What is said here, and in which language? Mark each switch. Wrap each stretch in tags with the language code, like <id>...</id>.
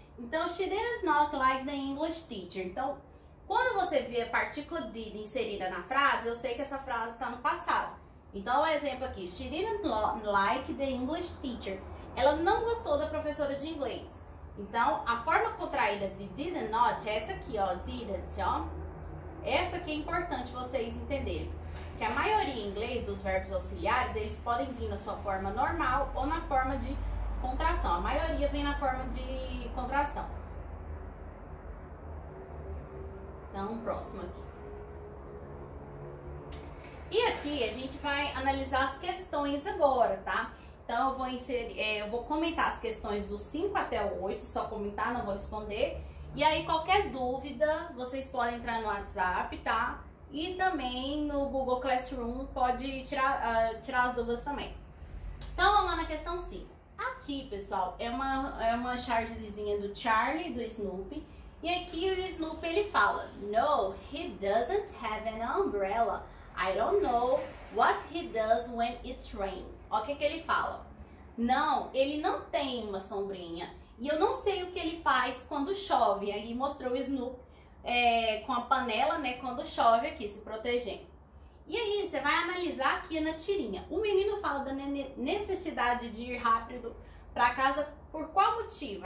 <en>Então, she didn't not like the English teacher.</en> <pt>Então, quando você vê a partícula did inserida na frase, eu sei que essa frase está no passado. Então, o exemplo aqui,</pt> <en>she didn't like the English teacher.</en> <pt>Ela não gostou da professora de inglês. Então, a forma contraída de did not é essa aqui, ó, didn't, ó. Essa aqui é importante vocês entenderem. Que a maioria em inglês dos verbos auxiliares, eles podem vir na sua forma normal ou na forma de contração. A maioria vem na forma de contração. Então, um próximo aqui. E aqui a gente vai analisar as questões agora, tá? Então, eu vou comentar as questões dos 5 até o 8, só comentar, não vou responder. E aí, qualquer dúvida, vocês podem entrar no WhatsApp, tá? E também no Google Classroom pode tirar as dúvidas também. Então, vamos lá na questão 5. Aqui, pessoal, é uma chargezinha do Charlie, do Snoopy. E aqui o Snoopy, ele fala,</pt> <en>no, he doesn't have an umbrella. I don't know what he does when it's rain.</en> <pt>Olha o que ele fala. Não, ele não tem uma sombrinha. E eu não sei o que ele faz quando chove. Aí mostrou o Snoopy. Com a panela, né, quando chove aqui, se protegendo. E aí, você vai analisar aqui na tirinha. O menino fala da necessidade de ir rápido para casa, por qual motivo?</pt>